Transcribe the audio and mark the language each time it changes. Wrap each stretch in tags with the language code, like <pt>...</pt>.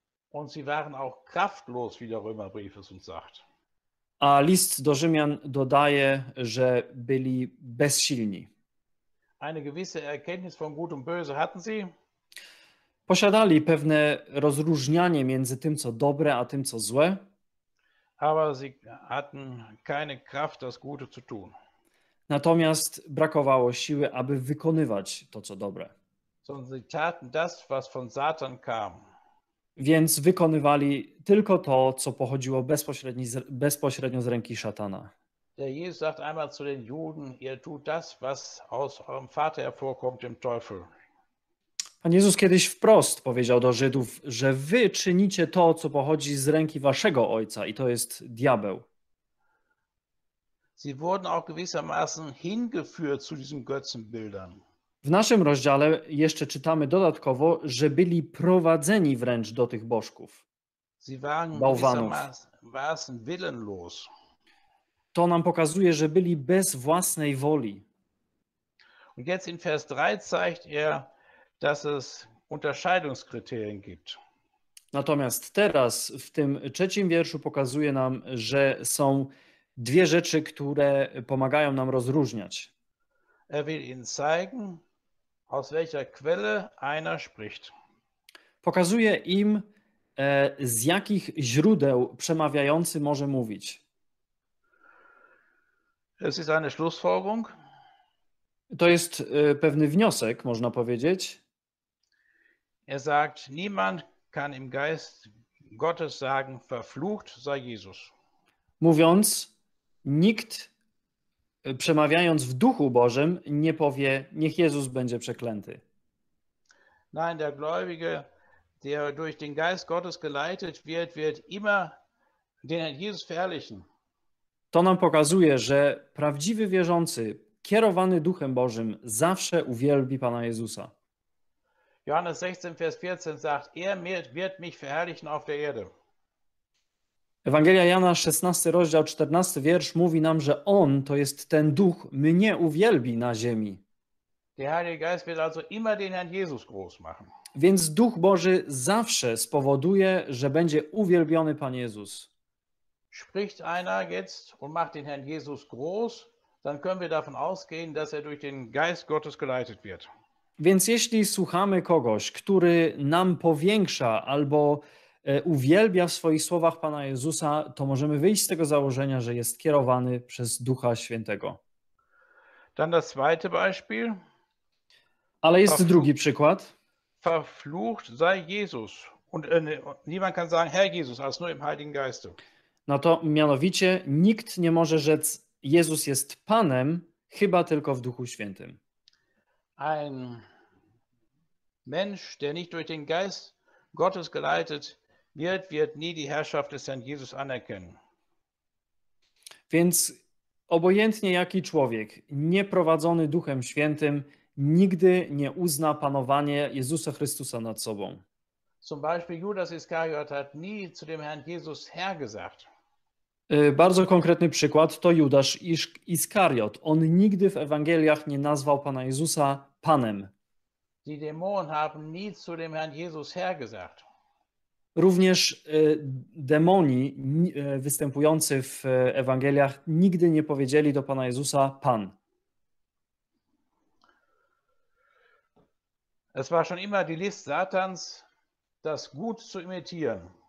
<de>Und sie waren auch kraftlos, wie der Römerbrief es uns sagt.</de> <pl>A list do Rzymian dodaje, że byli bezsilni.</pl> <de>Eine gewisse Erkenntnis von gut und böse hatten sie.</de> <pl>Posiadali pewne rozróżnianie między tym, co dobre, a tym, co złe.</pl> <de>Aber sie hatten keine Kraft, das Gute zu tun.</de> <pl>Natomiast brakowało siły, aby wykonywać to, co dobre.</pl> <de>Sondern sie taten das, was von Satan kam.</de> <pl>Więc wykonywali tylko to, co pochodziło bezpośrednio z ręki szatana.</pl> <de>Der Jesus sagt einmal zu den Juden, ihr tut das, was aus eurem Vater hervorkommt, dem Teufel.</de> <pl>Pan Jezus kiedyś wprost powiedział do Żydów, że wy czynicie to, co pochodzi z ręki waszego ojca, i to jest diabeł.</pl> <de>Sie wurden auch gewissermaßen hingeführt zu diesen Götzenbildern.</de> <pl>W naszym rozdziale jeszcze czytamy dodatkowo, że byli prowadzeni wręcz do tych bożków,</pl> <de>sie waren gewissermaßen willenlos.</de> <pl>To nam pokazuje, że byli bez własnej woli.</pl> <de>Und jetzt in Vers 3 zeigt er, dass es Unterscheidungskriterien gibt.</de> <pl>Natomiast teraz w tym trzecim wierszu pokazuje nam, że są dwie rzeczy, które pomagają nam rozróżniać.</pl> <de>Er will ihnen zeigen, aus welcher Quelle einer spricht.</de> <pl>Pokazuje im, Z jakich źródeł przemawiający może mówić?</pl> <de>Es ist eine Schlussfolgerung.</de> <pl>To jest pewny wniosek, można powiedzieć.</pl> <de>Er sagt, niemand kann im Geist Gottes sagen, verflucht sei Jesus.</de> <pl>Mówiąc, nikt, przemawiając w Duchu Bożym, nie powie, niech Jezus będzie przeklęty.</pl> <de>Nein, der Gläubige, der durch den Geist Gottes geleitet wird, wird immer den Jesus verherrlichen.</de> <pl>To nam pokazuje, że prawdziwy wierzący, kierowany Duchem Bożym, zawsze uwielbi Pana Jezusa.</pl> <de>Johannes 16, Vers 14 sagt, wird mich verherrlichen auf der Erde.</de> <pl>Ewangelia Jana 16, rozdział 14, wiersz mówi nam, że On, to jest ten Duch, mnie uwielbi na ziemi.</pl> <de>Der Heilige Geist wird also immer den Herrn Jesus groß machen.</de> <pl>Więc Duch Boży zawsze spowoduje, że będzie uwielbiony Pan Jezus.</pl> <de>Spricht einer jetzt und macht den Herrn Jesus groß, dann können wir davon ausgehen, dass durch den Geist Gottes geleitet wird.</de> <pl>Więc jeśli słuchamy kogoś, który nam powiększa albo uwielbia w swoich słowach Pana Jezusa, to możemy wyjść z tego założenia, że jest kierowany przez Ducha Świętego.</pl> <de>Dann das zweite Beispiel.</de> <pl>Ale jest drugi przykład.</pl> <de>Verflucht sei Jesus. Und niemand kann sagen, Herr Jesus, als nur im Heiligen Geiste.</de> <pl>No to mianowicie nikt nie może rzec, Jezus jest Panem, chyba tylko w Duchu Świętym.</pl> <de>Ein Mensch, der nicht durch den Geist Gottes geleitet wird, wird nie die Herrschaft des Herrn Jesus anerkennen.</de> <pl>Więc obojętnie jaki człowiek, nieprowadzony Duchem Świętym, nigdy nie uzna panowanie Jezusa Chrystusa nad sobą.</pl> <de>Zum Beispiel Judas Iskariot hat nie zu dem Herrn Jesus Herr gesagt.</de> <pl>Bardzo konkretny przykład to Judasz Iskariot. On nigdy w Ewangeliach nie nazwał Pana Jezusa Panem.</pl> <de>Die Dämonen haben nie zu dem Herrn Jesus Herr gesagt.</de> <pl>Również demoni występujący w Ewangeliach nigdy nie powiedzieli do Pana Jezusa Pan.</pl> <de>Es war schon immer die List Satans, das gut zu imitieren.</de>